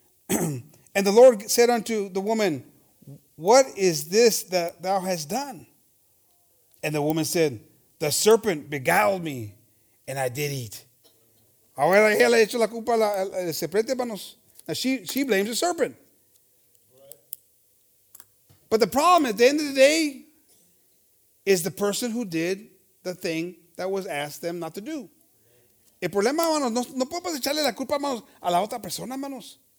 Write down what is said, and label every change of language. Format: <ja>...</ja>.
<en>And the Lord said unto the woman, what is this that thou hast done? And the woman said, the serpent beguiled me, and I did eat.</en> <es>Ahora ella echó la culpa a la serpiente, hermanos.</es> <en>Now she blames the serpent. But the problem at the end of the day is the person who did the thing that was asked them not to do.</en> <es>El problema, hermanos, no podemos echarle la culpa, hermanos, a la otra persona, hermanos.</es>